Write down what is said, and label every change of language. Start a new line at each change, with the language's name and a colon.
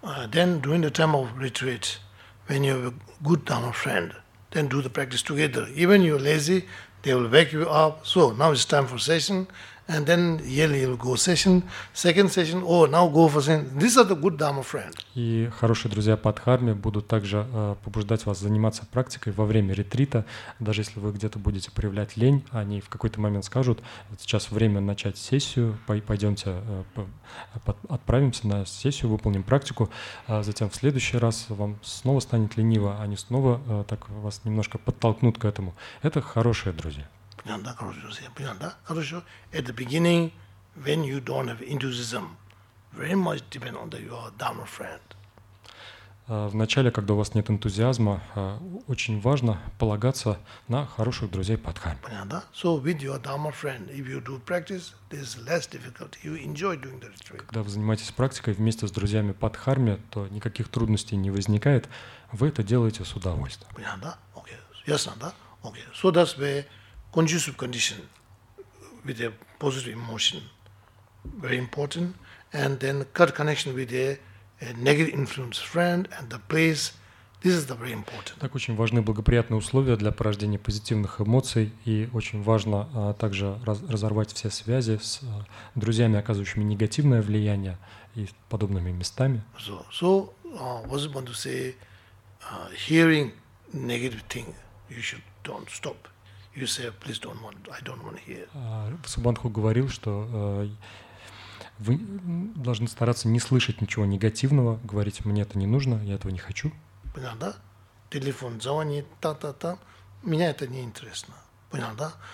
English: Then during the time of retreat, when you have a good dharma friend, then do the practice together. Even you're lazy, they will wake you up. So now it's time for session, and then yearly you'll go session, second session. Oh, now go for session. These are the good dharma friend.
Russian: И хорошие друзья по дхарме будут также побуждать вас заниматься практикой во время ретрита, даже если вы где-то будете проявлять лень, они в какой-то момент скажут: сейчас время начать сессию, пойдемте, отправимся на сессию, выполним практику. Затем в следующий раз вам снова станет лениво, они снова так вас немножко подтолкнут к этому. Это хорошие друзья. Понятно, хорошо, друзья, понятно, хорошо.
English: At the beginning, when you don't have enthusiasm, very much depend on your dharma friend.
Russian: В начале, когда у вас нет энтузиазма, очень важно полагаться на хороших друзей по дхарме. Понятно.
English: So with your dharma friend, if you do practice, there's less difficulty. You enjoy doing the retreat.
Russian: Когда вы занимаетесь практикой вместе с друзьями по дхарме, то никаких трудностей не возникает. Вы это делаете с удовольствием. Понятно. Okay. Ясно, да? Okay.
English: So that's where conducive condition with a positive emotion very important, and then cut connection with a negative influence friend and the place. This is the very important.
Russian: Так очень важны благоприятные условия для порождения позитивных эмоций, и очень важно также разорвать все связи с друзьями, оказывающими негативное влияние, и подобными местами.
English: So what's about to say, hearing negative thing, you should don't stop. You say, please don't want. I don't want to hear.
Russian: Субанху говорил, что вы должны стараться не слышать ничего негативного, говорить: мне это не нужно, я этого не хочу. Понял, да? Телефон звонит, та-та-та. Меня это не интересно. Понял, да?